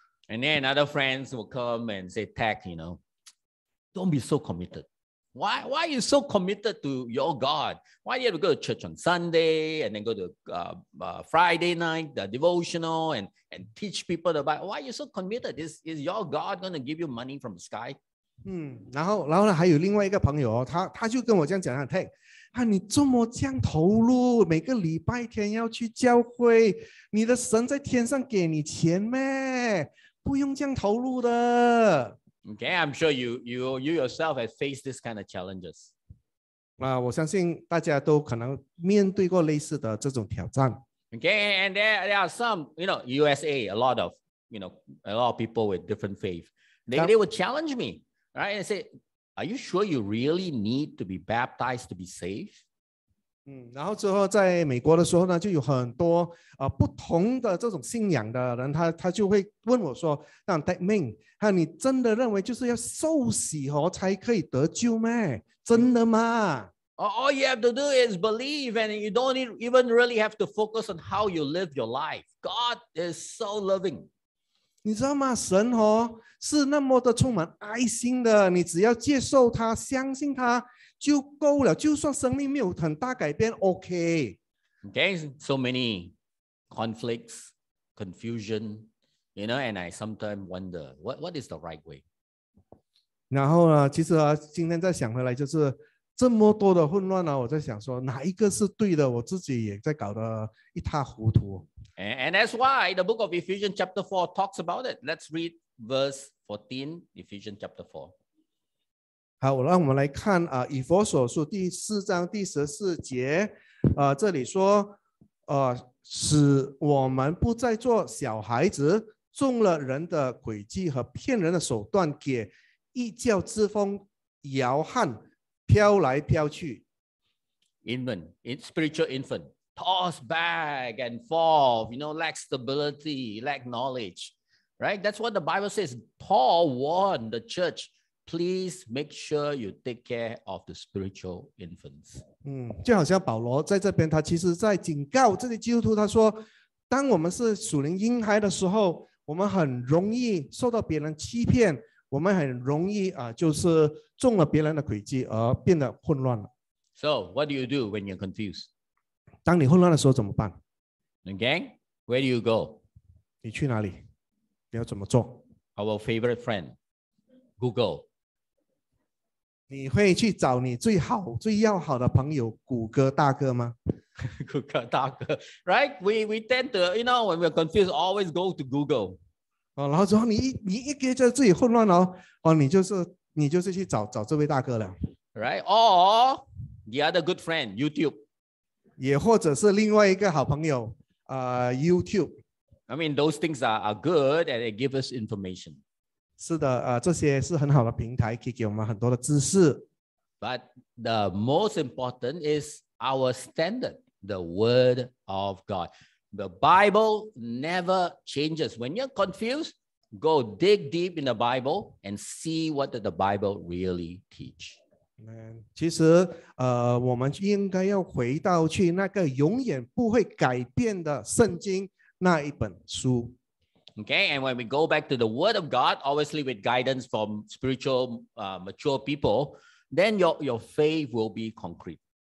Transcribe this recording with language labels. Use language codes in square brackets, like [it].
[en] And then other friends will come and say, Tech, don't be so committed. Why are you so committed to your God? Why do you have to go to church on Sunday and then go to Friday night, the devotional, and teach people the Bible? Why are you so committed? Is your God going to give you money from the sky? [zh] 然后呢还有另外一个朋友，他就跟我这样讲了 Tech. 啊、你这么这样投入，每个礼拜天要去教会，你的神在天上给你钱吗？不用这样投入的。 [en] Okay, I'm sure you yourself have faced this kind of challenges.、 [zh] 我相信大家都可能面对过类似的这种挑战。 [en] Okay, and there are some, USA, a lot of people with different faith. They would challenge me, right? And say,Are you sure you really need to be baptized to be saved? [zh] 然后之后在美国的时候呢，就有很多不同的这种信仰的人，他就会问我说，那 Dickman， 那你真的认为就是要受洗哦才可以得救吗？真的吗？ [en] All you have to do is believe, and you don't even really have to focus on how you live your life. God is so loving. [zh] 你知道吗？神哦，是那么的充满爱心的。你只要接受他，相信他就够了。就算生命没有很大改变 ，OK。 [en] Okay, so many conflicts, confusion, and I sometimes wonder what is the right way. [zh] 然后呢，其实啊，今天再想回来，就是这么多的混乱呢、啊，我在想说哪一个是对的，我自己也在搞得一塌糊涂。 [en] And that's why the book of Ephesians chapter 4 talks about it. Let's read verse 14, Ephesians chapter 4. [zh] 好，让我们来看以弗所书第四章第十四节，这里说，使我们不再做小孩子，中了人的诡计和骗人的手段，给异教之风摇撼，飘来飘去。 [en] Infant, spiritual infant. Toss back and forth, lack stability, lack knowledge, right? That's what the Bible says. Paul warned the church, please make sure you take care of the spiritual infants. [zh] 就好像保罗在这边，他其实在警告这些基督徒，他说，当我们是属灵婴孩的时候，我们很容易受到别人欺骗，我们很容易就是中了别人的诡计而变得混乱了。 [en] So, what do you do when you're confused? [zh] 当你混乱的时候怎么办 [en] ？Okay, where do you go? [zh] 你去哪里？你要怎么做 [en] ？Our favorite friend, Google. [zh] 你会去找你最好、最要好的朋友谷歌大哥吗 [en] ？Google [zh] 大哥 [en] ，right? We tend to, when we're confused, always go to Google. [zh] 然后之后你一觉得自己混乱了你就是去找这位大哥了 [en] ，right? Or the other good friend, YouTube. [zh] 也或者是另外一个好朋友，YouTube. [en] I mean, those things are good and they give us information. [zh] 是的，这些是很好的平台，可以给我们很多的知识。 [en] But the most important is our standard, the Word of God. The Bible never changes. When you're confused, go dig deep in the Bible and see what the Bible really teach. [zh] 其实，我们应该要回到去那个永远不会改变的圣经那一本书。 [en] Okay, and when we go back to the Word of God, obviously with guidance from spiritual, mature people, then your faith will be concrete.